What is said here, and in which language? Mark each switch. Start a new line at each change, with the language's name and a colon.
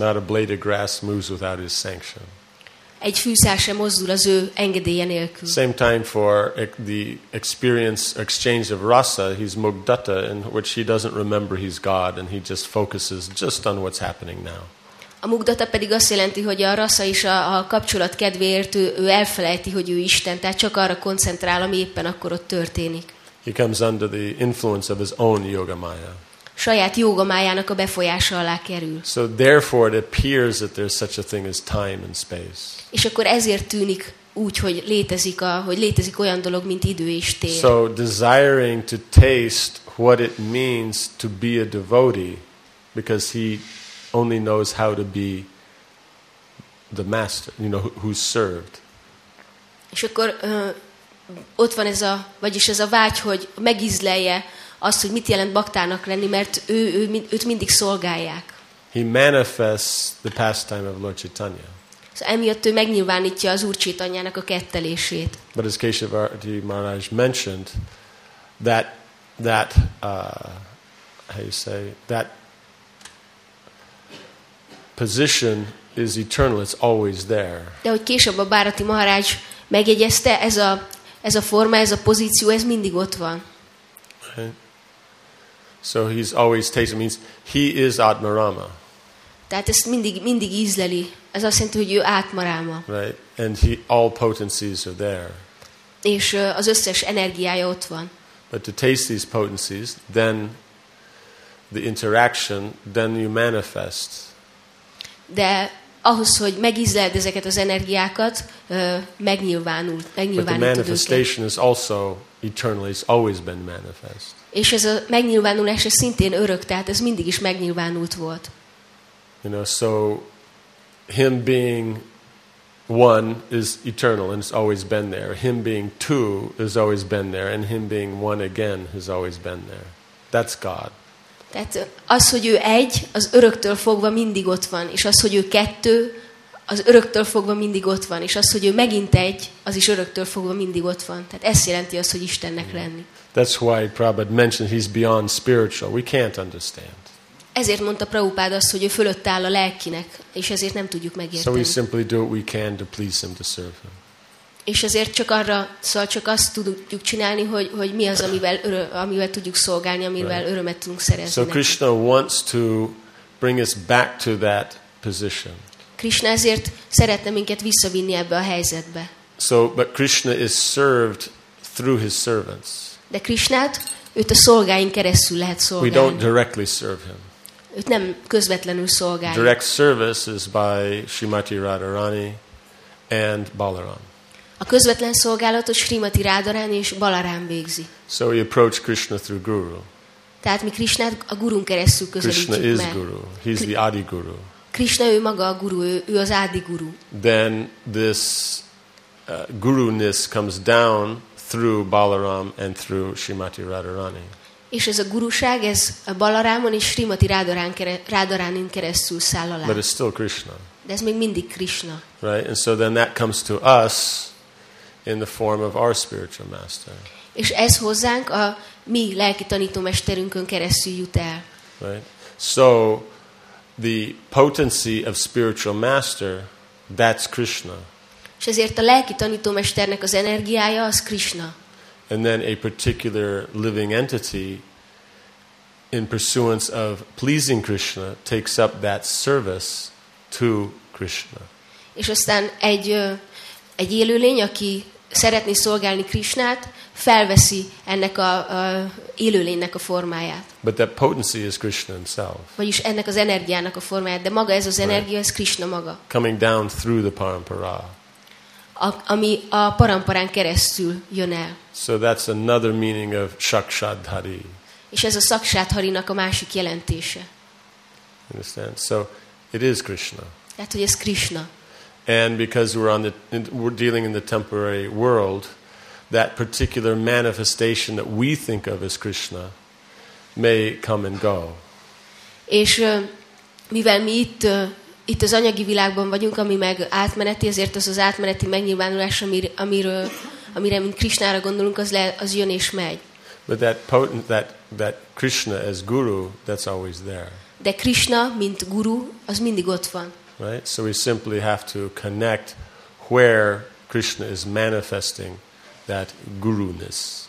English: Not a blade of grass moves without his sanction.
Hungarian: Egy fűszál sem mozdul az ő engedélye nélkül.
English: Same time for the experience exchange of rasa, he's mugdata, in which he doesn't remember he's God, and he just focuses just on what's happening now.
Hungarian: A mugdata pedig azt jelenti, hogy a rasa is a kapcsolat kedvéért ő elfelejti, hogy ő Isten, tehát csak arra koncentrál, ami éppen akkor ott történik.
English: He comes under the influence of his own yoga maya.
Hungarian: Saját yoga májának a befolyása alá kerül.
English: So therefore it appears that there's such a thing as time and space.
Hungarian: És akkor ezért tűnik úgy, hogy létezik olyan dolog, mint idő és tér.
English: So desiring to taste what it means to be a devotee, because he only knows how to be the master, you know, who's served.
Hungarian: És akkor ott van ez a, vagyis ez a vágy, hogy megízlelje azt, hogy mit jelent baktának lenni, mert őt mindig szolgálják.
English: He manifests the pastime of Lord Chaitanya.
Hungarian: Szóval emiatt ő megnyilvánítja az Úr Csaitanyának a kettelését.
English: But as Keshavarti Maharaj mentioned, that position is eternal, it's always there.
Hungarian: De hogy később a Bharati Maharaj megjegyezte, ez a forma, ez a pozíció, ez mindig ott van.
English: So he's always tasting, means he is Atmarama.
Hungarian: Tehát ezt mindig ízleli. Ez azt jelenti, hogy ő Atmarama.
English: Right, and he, all potencies are there.
Hungarian: És az összes energiája ott van.
English: But to taste these potencies, then the interaction, then you manifest.
Hungarian: De ahhoz, hogy megízleld ezeket az energiákat, megnyilvánul.
English: But the manifestation is also eternally, it's always been manifest.
Hungarian: És ez a megnyilvánulás, ez szintén örök, tehát ez mindig is megnyilvánult volt.
English: You know, so him being one is eternal and it's always been there. Him being two has always been there and him being one again has always been there. That's God.
Hungarian: Tehát az, hogy ő egy, az öröktől fogva mindig ott van. És az, hogy ő kettő, az öröktől fogva mindig ott van. És az, hogy ő megint egy, az is öröktől fogva mindig ott van. Tehát ez jelenti az, hogy Istennek lenni.
English: That's why Prabhupada mentioned he's beyond spiritual. We can't understand.
Hungarian: Ezért mondta Prabhupada azt, hogy ő fölött áll a lelkinek, és ezért nem tudjuk megérteni.
English: So we simply do what we can to please him, to serve him.
Hungarian: És ezért csak arra, szóval csak azt tudjuk csinálni, hogy mi az, amivel tudjuk szolgálni, amivel
English: right.
Hungarian: Örömet tudunk szerezni.
English: So Krishna wants to bring us back to that position.
Hungarian: Krishna ezért szeretne minket visszavinni ebbe a helyzetbe.
English: So, but Krishna is served through his servants.
Hungarian: De Krishnát őt a szolgáink keresztül lehet szolgálni.
English: We don't directly serve him.
Hungarian: Őt nem közvetlenül szolgáljuk.
English: Direct service is by Srimati Radharani and Balaram.
Hungarian: A közvetlen szolgálatot Srimati Radharani és Balaram végzi.
English: So we approach Krishna through Guru.
Hungarian: Tehát mi Krishnát a gurun keresztül közelítjük Krishna meg.
English: Krishna is Guru. He's the Adi Guru.
Hungarian: Krishna ő maga a guru, ő az Adi Guru.
English: Then this guruness comes down through Balaram and through Srimati Radharani.
Hungarian: És ez a guruság, ez a Balarámon és Srimati Radharanin keresztül száll alá.
English: But it's still Krishna.
Hungarian: De ez még mindig Krishna.
English: Right? And so then that comes to us in the form of our spiritual master.
Hungarian: És ez hozzánk a mi lelki tanítómesterünkön keresztül jut el.
English: Right? So the potency of spiritual master, that's Krishna.
Hungarian: És ezért a lelki tanítómesternek az energiája az Krishna.
English: And then a particular living entity in pursuance of pleasing Krishna takes up that service to Krishna.
Hungarian: És aztán egy élőlény, aki szeretné szolgálni Krishnát, felveszi ennek a élőlénynek a formáját.
English: But that potency is Krishna himself.
Hungarian: Vagyis ennek az energiának a formáját, de maga ez az energia, ez Krishna maga.
English: Coming down through the parampara.
Hungarian: Ami a paramparán keresztül jön el.
English: So that's another meaning of Sakshadhari.
Hungarian: És ez a Sakshadharinak a másik jelentése.
English: Understand? So it is Krishna.
Hungarian: Tehát, hogy ez Krishna.
English: And because we're dealing in the temporary world, that particular manifestation that we think of as Krishna may come and go.
Hungarian: És mivel mi itt az anyagi világban vagyunk, ami meg átmeneti, ezért az átmeneti megnyilvánulás, amire mint Krishnára gondolunk, az jön és megy.
English: But that potent, that Krishna as guru, that's always there.
Hungarian: De Krishna mint guru, az mindig ott van.
English: Right? So we simply have to connect where Krishna is manifesting that guruness.